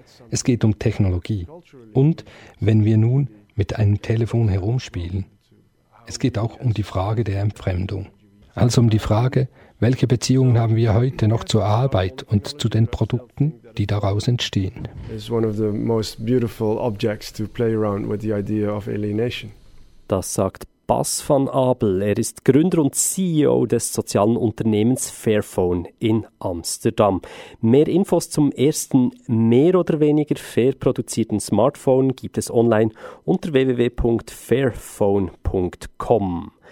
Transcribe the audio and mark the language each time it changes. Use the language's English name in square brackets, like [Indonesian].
[German] Es geht um Technologie. Und wenn wir nun mit einem Telefon herumspielen, es geht auch um die Frage der Entfremdung. Also um die Frage, welche Beziehungen haben wir heute noch zur Arbeit und zu den Produkten, die daraus entstehen? [English] Is one of the most beautiful objects to play around with the idea of alienation. [German] Das sagt Bas van Abel. Er ist Gründer und CEO des sozialen Unternehmens Fairphone in Amsterdam. Mehr Infos zum ersten mehr oder weniger fair produzierten Smartphone gibt es online unter www.fairphone.com.